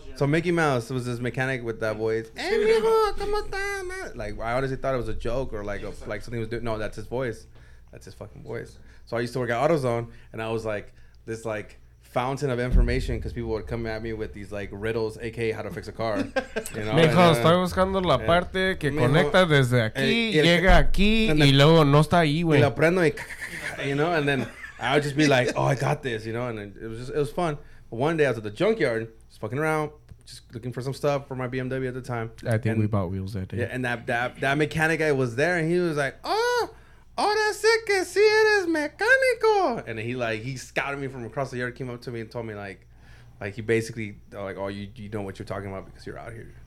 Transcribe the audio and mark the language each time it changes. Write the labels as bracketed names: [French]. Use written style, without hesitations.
[English] So Mickey Mouse was this mechanic with that voice. Hey, [Spanish] mijo, ¿cómo está, [English] man? Like, I honestly thought it was a joke or like something he was doing. No, that's his voice. That's his fucking voice. So I used to work at AutoZone, and I was like this like fountain of information because people would come at me with these like riddles, aka how to fix a car. You know? [Spanish] Mijo, estoy buscando la parte que conecta desde aquí, llega aquí, y luego no está ahí, güey. Y lo prendo, [English] you know, and then I would just be like, oh, I got this, you know, and it was fun. But one day I was at the junkyard, just fucking around, just looking for some stuff for my BMW at the time. I think we bought wheels that day. Yeah, and that mechanic guy was there, and he was like, oh. [Spanish] Ahora sí que sí eres mecánico. [English] And he scouted me from across the yard, came up to me and told me like he basically like, oh, you know what you're talking about because you're out here.